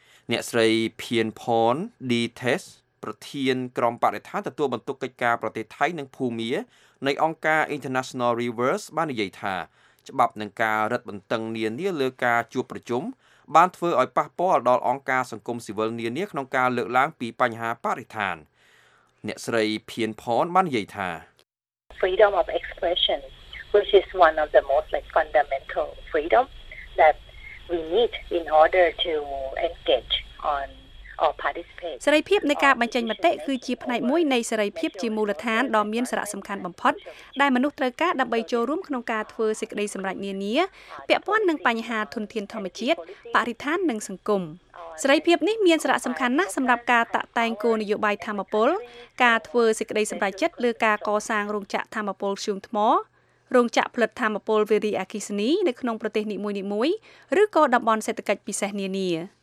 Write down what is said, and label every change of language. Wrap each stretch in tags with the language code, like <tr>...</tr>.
<km>អ្នកស្រីភៀនផនឌីថេសប្រធានក្រុមបរិស្ថានទទួលបន្ទុកកិច្ចការប្រទេសថៃនិងភូមានៃអង្គការ International Rivers បាននិយាយថាច្បាប់នឹងការរឹតបន្តឹងនានាលើការជួបប្រជុំបានធ្វើឲ្យប៉ះពាល់ដល់អង្គការសង្គមស៊ីវិលនានាក្នុងការលើកឡើងពីបញ្ហាបរិស្ថានអ្នកស្រីភៀនផនបាននិយាយថា</km> <en>Freedom of expression which is one of the most like fundamental freedom that we need in order to engage on or participate</en> <km>សេរីភាពនៃការបញ្ចេញមតិគឺជាផ្នែកមួយនៃសេរីភាពជាមូលដ្ឋានដ៏មានសារៈសំខាន់បំផុតដែលមនុស្សត្រូវការដើម្បីចូលរួមក្នុងការធ្វើសេចក្តីសម្រេចនានាពាក់ព័ន្ធនឹងបញ្ហាធនធានធម្មជាតិបរិស្ថាននិងសង្គមសេរីភាពនេះមានសារៈសំខាន់ណាស់សម្រាប់ការតាក់តែងគោលនយោបាយធម្មពលការធ្វើសេចក្តីសម្រេចចិត្តលើការកសាងរោងចក្រធម្មពលស៊ូងថ្មរោងចក្រផលិតធម្មពលវារីអគ្គិសនីនៅក្នុងប្រទេសនីមួយៗឬក៏តំបន់សេដ្ឋកិច្ចពិសេសនានារ</km>